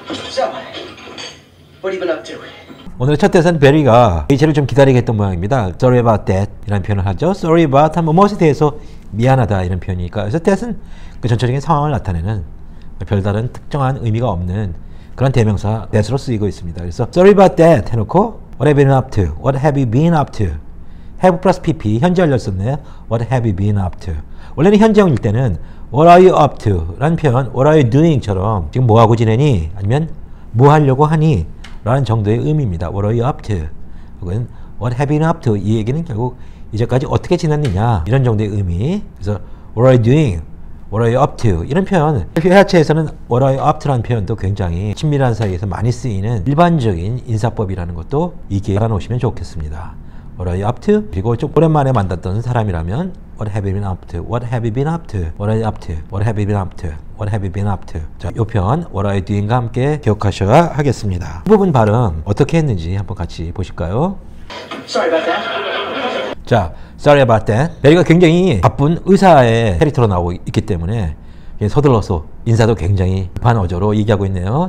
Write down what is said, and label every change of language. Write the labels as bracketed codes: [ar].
[en] So, what even up to? [ko] 오늘의 첫 대사는 베리가 레이첼을 좀 기다리게 했던 모양입니다. [en] Sorry about that [ko] 이라는 표현을 하죠. [en] Sorry about [ko] 하면 무엇에 대해서 미안하다 이런 표현이니까, 그래서 that은 그 전체적인 상황을 나타내는 별다른 특정한 의미가 없는 그런 대명사 that으로 쓰이고 있습니다. 그래서 [en] Sorry about that [ko] 해놓고 [en] What have you been up to? What have you been up to? have plus pp, [ko] 현재 알렸었네. [en] what have you been up to? [ko] 원래는 현재형일 때는 [en] what are you up to? [ko] 라는 표현, [en] what are you doing? [ko] 처럼 지금 뭐하고 지내니? 아니면 뭐 하려고 하니? 라는 정도의 의미입니다. [en] what are you up to? 혹은 what have you been up to? [ko] 이 얘기는 결국 이제까지 어떻게 지냈느냐? 이런 정도의 의미. 그래서 [en] what are you doing? what are you up to? [ko] 이런 표현. 회화체에서는 [en] what are you up to? [ko] 라는 표현도 굉장히 친밀한 사이에서 많이 쓰이는 일반적인 인사법이라는 것도 이기 알아놓으시면 좋겠습니다. [en] What are you up to? [ko] 그리고 좀 오랜만에 만났던 사람이라면 [en] What have you been up to? What have you been up to? What are you up to? What have you been up to? What have you been up to? [ko] 자, 이 표현 [en] What are you doing? [ko] 과 함께 기억하셔야 하겠습니다. 이 부분 발음 어떻게 했는지 한번 같이 보실까요? [en] Sorry about that. 자, Sorry about that. [ko] 베리가 굉장히 바쁜 의사의 캐릭터로 나오고 있기 때문에 서둘러서 인사도 굉장히 급한 어조로 얘기하고 있네요.